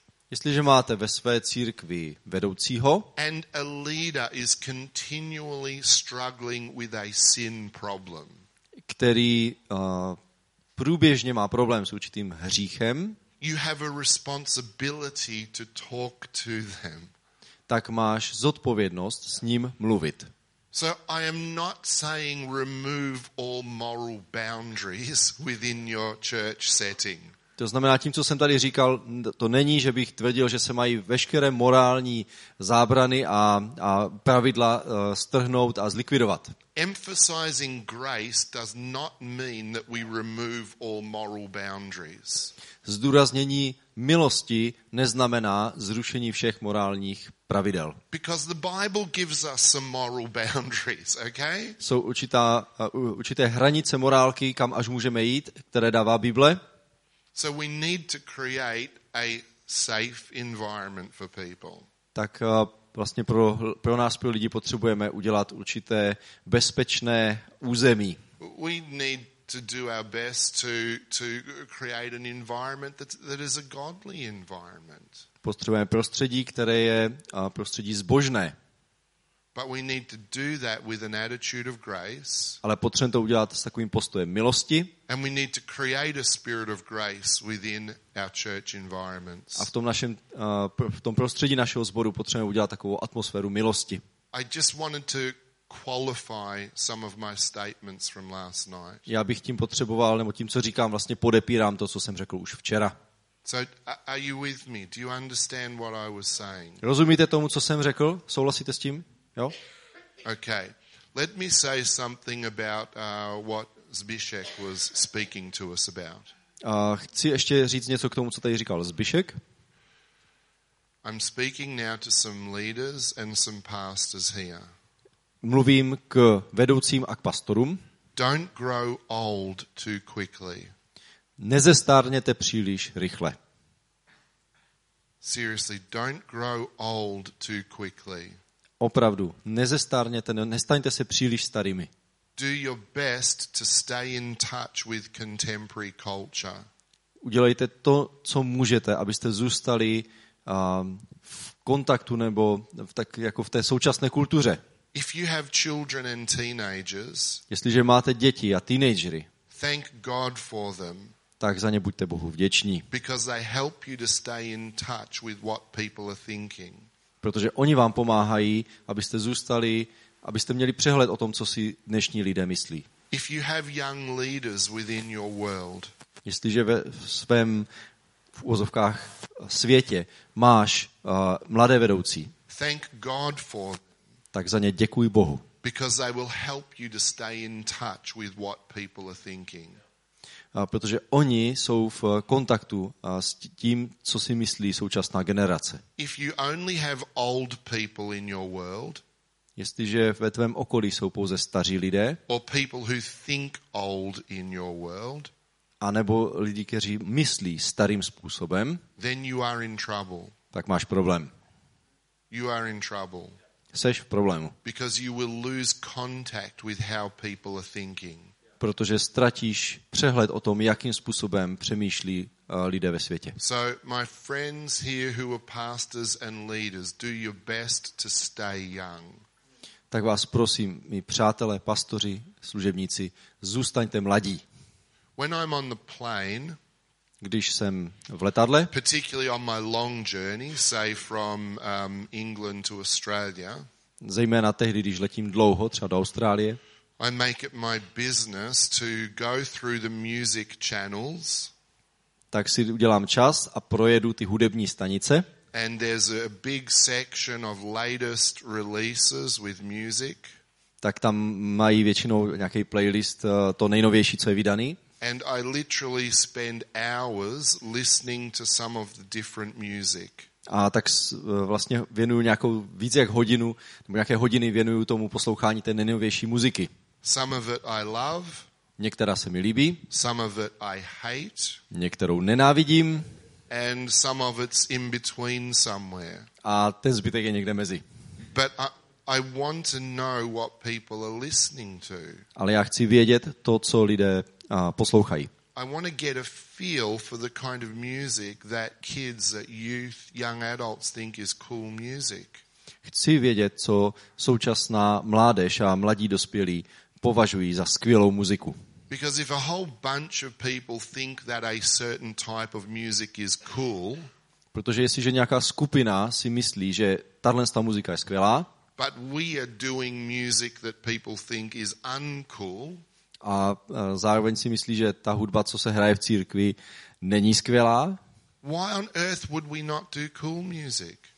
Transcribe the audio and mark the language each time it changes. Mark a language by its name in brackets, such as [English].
[Czech] Jestliže máte ve své církvi vedoucího [English] and a leader is continually struggling with a sin problem, [Czech] který průběžně má problém s určitým hříchem, [English] you have a responsibility to talk to them, [Czech] tak máš zodpovědnost s ním mluvit. [English] So I am not saying remove all moral boundaries within your church setting. [Czech] To znamená, tím, co jsem tady říkal, to není, že bych tvrdil, že se mají veškeré morální zábrany a pravidla strhnout a zlikvidovat. [English] Emphasizing grace does not mean that we remove all moral boundaries. [Czech] Zdůraznění milosti neznamená zrušení všech morálních pravidel. [English] Because the Bible gives us some moral boundaries, okay? [Czech] Jsou určité hranice morálky, kam až můžeme jít, které dává Bible. [English] So we need to create a safe environment for people. [Czech] Tak vlastně pro nás pro lidi potřebujeme udělat určité bezpečné území. [English] We need to do our best to create an environment that is a godly environment. [Czech] Potřebujeme prostředí, které je prostředí zbožné. [English] But we need to do that with an attitude of grace. [Czech] Ale potřebujeme to udělat s takovým postojem milosti. [English] And we need to create a spirit of grace within our church environments. [Czech] A v tom prostředí našeho sboru potřebujeme udělat takovou atmosféru milosti. [English] I just wanted to qualify some of my statements from last night. [Czech] Já bych tím potřeboval, nebo tím, co říkám, vlastně podepírám to, co jsem řekl už včera. [English] So are you with me? Do you understand what I was saying? [Czech] Rozumíte tomu, co jsem řekl? Souhlasíte s tím? Jo? [English] Okay. Let me say something about what Zbyšek was speaking to us about. [Czech] Chci ještě říct něco k tomu, co tady říkal Zbyšek. [English] I'm speaking now to some leaders and some pastors here. [Czech] Mluvím k vedoucím a k pastorům. [English] Don't grow old too quickly. [Czech] Nezestárněte příliš rychle. [English] Seriously, don't grow old too quickly. [Czech] Opravdu, nezestárněte, nestaňte se příliš starými. [English] Do your best to stay in touch with contemporary culture. [Czech] Udělejte to, co můžete, abyste zůstali v kontaktu nebo jako v té současné kultuře. [English] If you have children and teenagers, [Czech] jestliže máte děti a teenagery, [English] thank God for them. [Czech] tak za ně buďte Bohu vděční. [English] Because they help you to stay in touch with what people are thinking. [Czech] Protože oni vám pomáhají, abyste zůstali, abyste měli přehled o tom, co si dnešní lidé myslí. [English] If you have young leaders within your world, [Czech] jestliže ve svém v uvozovkách světě máš mladé vedoucí, [English] thank God for, [Czech] tak za ně děkuji Bohu. [English] Because they will help you to stay in touch with what people are thinking. [Czech] Protože oni jsou v kontaktu s tím, co si myslí současná generace. [English] If you only have old people in your world, [Czech] jestliže ve tvém okolí jsou pouze staří lidé, [English] or people who think old in your world, [Czech] a nebo lidi, kteří myslí starým způsobem, [English] then you are in trouble. [Czech] Tak máš problém. [English] You are in trouble. [Czech] Seš v problému. [English] Because you will lose contact with how people are thinking. [Czech] Protože ztratíš přehled o tom, jakým způsobem přemýšlí lidé ve světě. [English] So my friends here who are pastors and leaders, do your best to stay young. [Czech] Tak vás prosím, mí přátelé, pastoři, služebníci, zůstaňte mladí. [English] When I'm on the plane, [Czech] když jsem v letadle, [English] particularly on my long journey, say from England to Australia, [Czech] zejména tehdy, když letím dlouho, třeba do Austrálie, [English] I make it my business to go through the music channels. [Czech] Tak si udělám čas a projedu ty hudební stanice. [English] And there's a big section of latest releases with music. [Czech] Tak tam mají většinou nějaký playlist to nejnovější, co je vydaný. [English] And I literally spend hours listening to some of the different music. [Czech] A tak vlastně věnuju nějakou víc jak hodinu, nebo nějaké hodiny věnuju tomu poslouchání té nejnovější muziky. [English] Some of it I love, [Czech] některá se mi líbí, [English] some of it I hate, [Czech] některou nenávidím, [English] and some of it's in between somewhere. [Czech] A ten zbytek je někde mezi. [English] But I want to know what people are listening to. [Czech] Ale já chci vědět to, co lidé poslouchají. [English] I want to get a feel for the kind of music that kids, that youth, young adults think is cool music. [Czech] Chci vědět, co současná mládež a mladí dospělí považují za skvělou muziku. [English] Because if a whole bunch of people think that a certain type of music is cool, [Czech] protože jestliže nějaká skupina si myslí, že tahle muzika je skvělá, [English] but we are doing music that people think is uncool, [Czech] a zároveň si myslí, že ta hudba, co se hraje v církvi, není skvělá. [English] Why on earth would we not do cool music?